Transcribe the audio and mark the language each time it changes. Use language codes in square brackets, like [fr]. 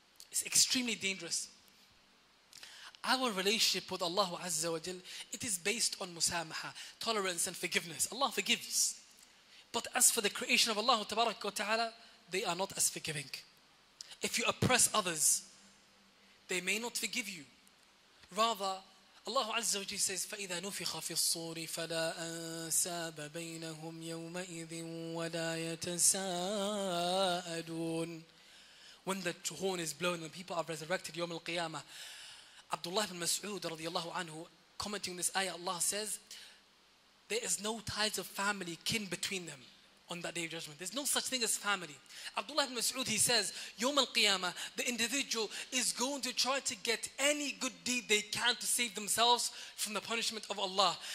[en] It's extremely dangerous. Our relationship with Allah Azza wa Jal, it is based on musamaha, tolerance and forgiveness. Allah forgives. But as for the creation of Allah Tabarak wa Ta'ala, they are not as forgiving. If you oppress others, they may not forgive you. Rather, Allah Azza wa Jalla says, [ar] فَإِذَا نُفِخَ فِي الصُّورِ فَلَا أَنْسَابَ بَيْنَهُمْ يَوْمَئِذٍ وَلَا يَتَسَاءَدُونَ. [en] When the horn is blown and people are resurrected, [ar] يوم القيامة, [en] Abdullah ibn Mas'ud radiallahu anhu, commenting this ayah, Allah says, there is no ties of family, kin between them. On that day of judgment, there's no such thing as family. Abdullah ibn Mas'ud, he says, Yawm al-Qiyamah, the individual is going to try to get any good deed they can to save themselves from the punishment of Allah.